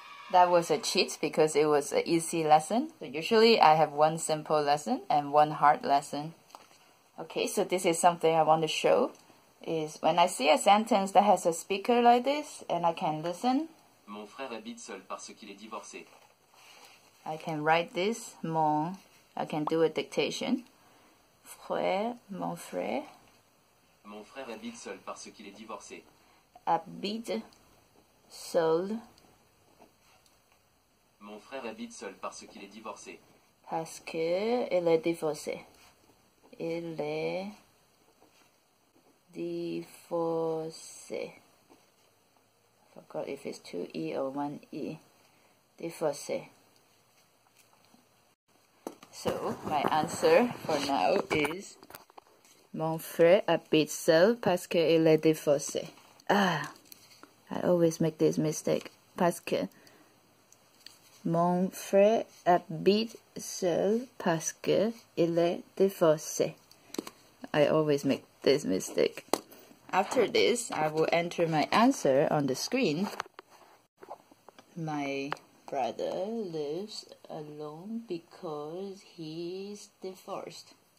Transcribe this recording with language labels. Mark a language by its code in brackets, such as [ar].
[en] That was a cheat because it was an easy lesson. So usually I have one simple lesson and one hard lesson. Okay, so this is something I want to show. Is when I see a sentence that has a speaker like this and I can listen. [fr] Mon frère habite seul parce qu'il est divorcé. [en] I can write this. I can do a dictation. [fr] Mon frère. Mon frère habite seul parce qu'il est divorcé. Habite seul. Mon frère habite seul parce qu'il est divorcé. Parce que il est divorcé. Il est divorcé. [en] I forgot if it's 2 E or 1 E. Divorcé. So my answer for now is [fr] mon frère habite seul parce que il est divorcé. [en] I always make this mistake. [fr] Parce que mon frère habite seul parce que il est divorcé. [en] I always make this mistake. After this, I will enter my answer on the screen. My brother lives alone because he's divorced.